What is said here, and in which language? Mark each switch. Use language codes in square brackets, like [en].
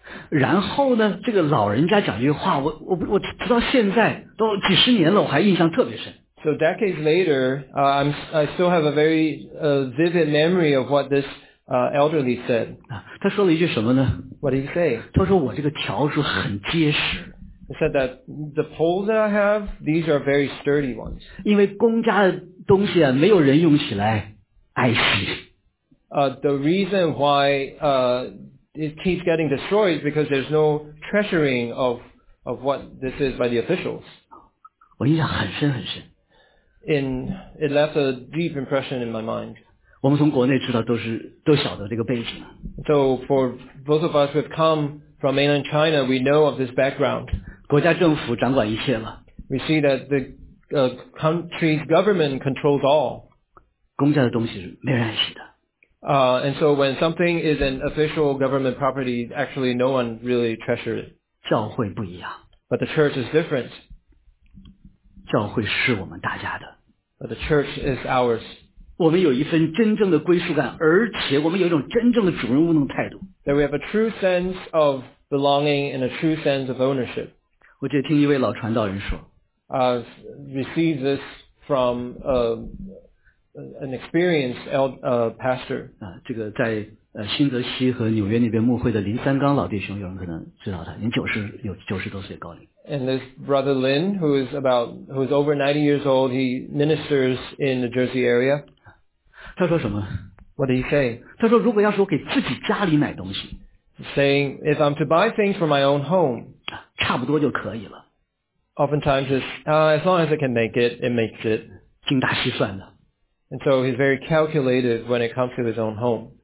[zh] 然后呢，这个老人家讲这句话，我直到现在都几十年了，我还印象特别深。 [en] So decades later, I still have a very vivid memory of what this. Elderly said, [zh] 他说了一句什么呢 [en] ？What did he say? [zh] 他说我这个条柱很结实。 [en] He said that the poles that I have, these are very sturdy ones. [zh] 因为公家的东西啊，没有人用起来爱惜。 [en] The reason why it keeps getting destroyed is because there's no treasuring of what this is by the officials. [zh] 我印象很深很深。 [en] It left a deep impression in my mind. [zh] 我们从国内知道都晓得这个背景。 [en] So for both of us who have come from mainland China, we know of this background. [zh] 国家政府掌管一切了。 [en] We see that the country's government controls all. [zh] 公家的东西是没人爱惜的。 [en] And so when something is an official government property, actually no one really treasures it. [zh] 教会不一样。 [en] But the church is different. [zh] 教会是我们大家的。 [en] But the church is ours. [zh] 我们有一份真正的归属感，而且我们有一种真正的主人翁的态度。 [en] That we have a true sense of belonging and a true sense of ownership. [zh] 我记得听一位老传道人说 [en] ，received this from an experienced pastor. [zh] 这个在新泽西和纽约那边牧会的林三刚老弟兄，有人可能知道他，年90多岁高龄。 [en] And this brother Lin, who is over 90 years old, he ministers in the Jersey area. [zh] 他说什么 [en] ？What did he say？ [zh] 他说如果要是我给自己家里买东西 [en] ，saying if I'm to buy things for my own home， [zh] 差不多就可以了。 [en] Oftentimes is as long as I can make it， it makes it。 [zh] 精打细算的。 [en] And so he's very calculated when it comes to his own home。